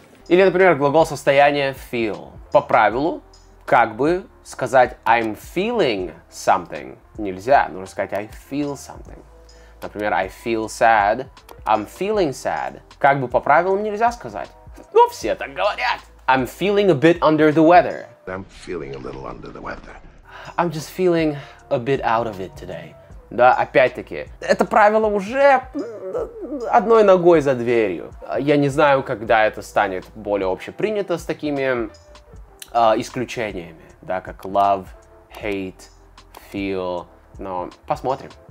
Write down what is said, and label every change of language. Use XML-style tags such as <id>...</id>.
<ru>Или, например, глагол состояния feel. По правилу, как бы... Сказать</ru> <en>I'm feeling something</en> <ru>нельзя, нужно сказать</ru> <en>I feel something.</en> <ru>Например,</ru> <en>I feel sad, I'm feeling sad.</en> <ru>Как бы по правилам нельзя сказать, но все так говорят.</ru> <en>I'm feeling a bit under the weather. I'm feeling a little under the weather. I'm just feeling a bit out of it today.</en> <ru>Да, опять-таки, это правило уже одной ногой за дверью. Я не знаю, когда это станет более общепринято с такими исключениями. Да, как love, hate, feel. Но посмотрим.</ru>